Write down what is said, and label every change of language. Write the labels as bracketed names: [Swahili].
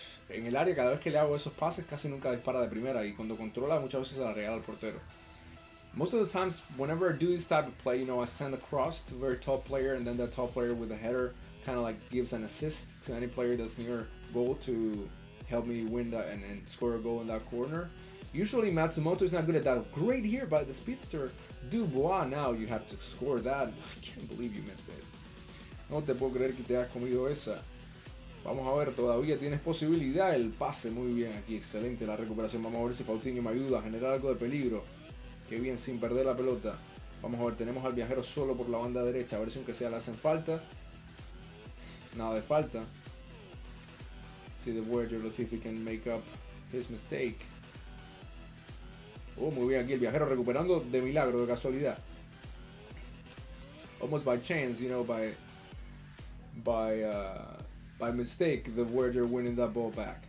[Spanish] En el área, cada vez que le hago esos pases, casi nunca dispara de primera. Y cuando controla, muchas veces se la regala al portero. [English] Most of the times, whenever I do this type of play, you know, I send across to a very top player, and then that top player with the header kind of like gives an assist to any player that's near goal to help me win that and score a goal in that corner. Usually Matsumoto is not good at that. Great here by the speedster. Dubois, now you have to score that. I can't believe you missed it. [Spanish] No te puedo creer que te hayas comido esa. Vamos a ver, todavía tienes posibilidad. El pase, muy bien aquí, excelente la recuperación. Vamos a ver si Faustino me ayuda a generar algo de peligro. Qué bien, sin perder la pelota. Vamos a ver, tenemos al viajero solo por la banda derecha. A ver si aunque sea le hacen falta. Nada de falta. [English] See the warrior, let's see if he can make up his mistake. [Spanish] Oh, muy bien aquí el viajero recuperando de milagro, de casualidad. [English] Almost by chance, you know, by mistake, the warrior winning that ball back.